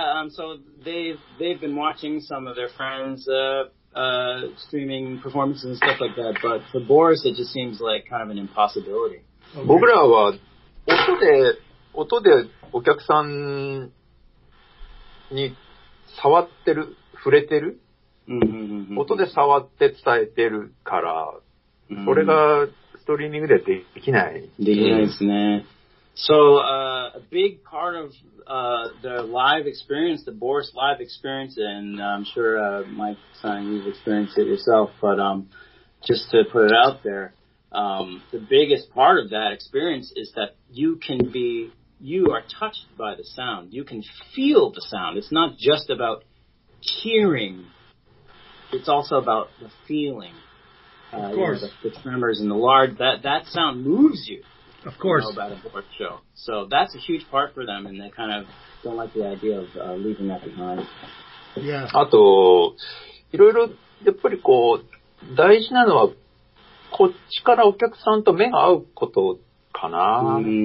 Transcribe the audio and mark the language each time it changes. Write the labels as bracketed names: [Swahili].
[English] So they've been watching some of their friends, streaming performances and stuff like that, but for Boris, it just seems like kind of an impossibility. [Japanese] 僕らは、音でお客さんに触ってる、触れてる、音で触って伝えてるから、それがストリーミングでできない。できないですね。 [English] So, a big part of, the live experience, the Boris live experience, and I'm sure, Mike-san, you've experienced it yourself, but, just to put it out there, the biggest part of that experience is that you are touched by the sound. You can feel the sound. It's not just about hearing. It's also about the feeling. Of course. You know, the tremors and the lard, that sound moves you. Of course. Know about a board show. So that's a huge part for them, and they kind of don't like the idea of leaving that behind. Yeah. [Japanese] あと、いろいろ、やっぱりこう、大事なのは、こっちからお客さんと目が合うことかな。